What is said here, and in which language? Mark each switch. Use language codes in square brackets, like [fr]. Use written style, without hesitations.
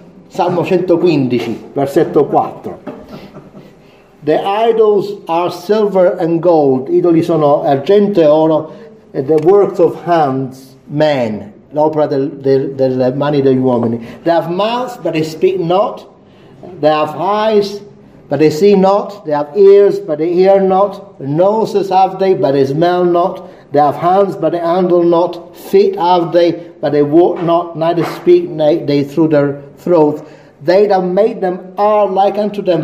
[en] Psalm 115, versetto 4. The idols are silver and gold. [it] Idoli sono argento e oro, [en] the works of hands, men, [it] l'opera delle mani degli uomini. [en] They have mouths, but they speak not. They have eyes, but they see not. They have ears, but they hear not. Noses have they, but they smell not. They have hands, but they handle not. Feet have they, but they walk not. Neither speak they through their throats. They that made them are like unto them.